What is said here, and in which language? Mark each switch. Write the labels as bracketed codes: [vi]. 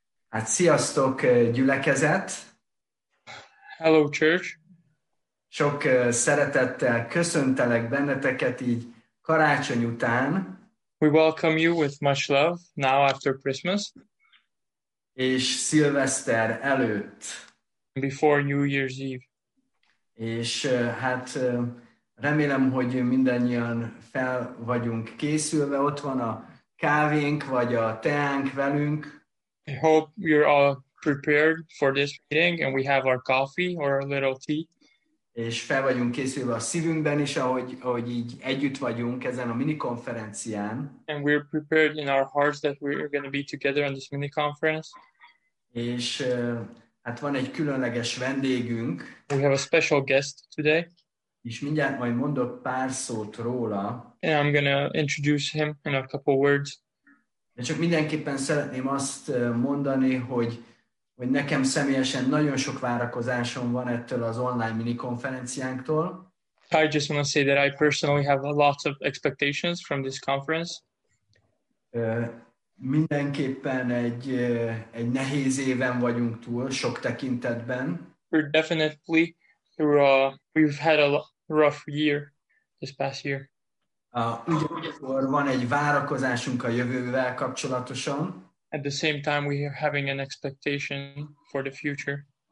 [hu] At Sziasztok, Gyula Kezet. [en] Hello, church. [hu] Sok szeretettel köszöntelek benneteket így karácsony után. [en] We welcome you with much love now after Christmas. [hu] És szilveszter előtt. [en] Before New Year's Eve. [hu] És hát remélem, hogy mindannyian fel vagyunk készülve, ott van a kávénk, vagy a teánk velünk. [en] I hope you're all prepared for this meeting and we have our coffee or a little tea. [hu] És fel vagyunk készülve a szívünkben is, ahogy így együtt vagyunk ezen a minikonferencián. [en] And we're prepared in our hearts that we're going to be together on this mini conference. [hu] És hát van egy különleges vendégünk. [en] We have a special guest today. [hu] És mindjárt majd mondok pár szót róla. [en] And I'm going to introduce him in a couple words. [hu] De csak mindenképpen szeretném azt mondani, hogy nekem személyesen nagyon sok várakozásom van ettől az online mini konferenciánktól. [en] I just want to say that I personally have a lot of expectations from this conference. [hu] Mindenképpen egy nehéz éven vagyunk túl sok tekintetben. [en] We're definitely we've had a rough year this past year. [hu] Ugyanakkor van egy várakozásunk a jövővel kapcsolatosan. [en] At the same time, we are having an expectation for the future.